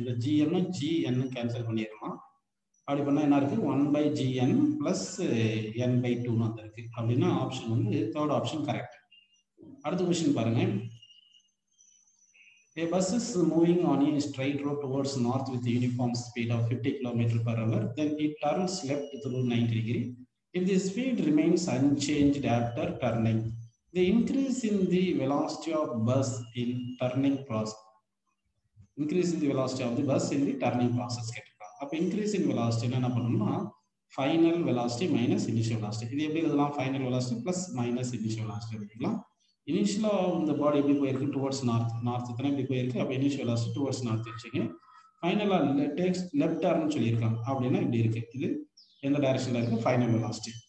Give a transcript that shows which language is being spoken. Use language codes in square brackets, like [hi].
[ta] இந்த ஜிஎன்னும் ஜிஎன்னு கேன்சல் பண்ணிடலாம். அப்படி பண்ணால் என்ன இருக்கு, one by GN plus N by டூன்னு வந்திருக்கு. அப்படின்னா ஆப்ஷன் வந்து தேர்ட் ஆப்ஷன் கரெக்ட். அடுத்த கொஸ்டின் பாருங்க, [en] A bus is moving on a straight road towards north with uniform speed of 50 kilometre per hour, then it turns left through 90 degree. If the speed remains unchanged after turning, the increase in the velocity of bus in turning process. Increase in the velocity of the bus in the turning process. [ta] அப்ப [en] increase in velocity [ta] என்ன பண்ணனும்னா, [en] final velocity minus initial velocity. [ta] இது எப்படி இதெல்லாம் [en] final velocity plus minus initial velocity [ta] இருக்கலாம். Initial அந்த body எப்படி போயிருக்கு, [en] towards north. [ta] North தானே எப்படி போயிருக்கு, அப்ப [en] initial velocity towards north [ta] வந்துச்சுங்க. [en] Final takes left turn [ta] சொல்லிருக்காங்க. அப்படினா இப்படி இருக்கு. இது எந்த டைரக்ஷன்ல இருக்கு, ஃபைனல் வெலாசிட்டி.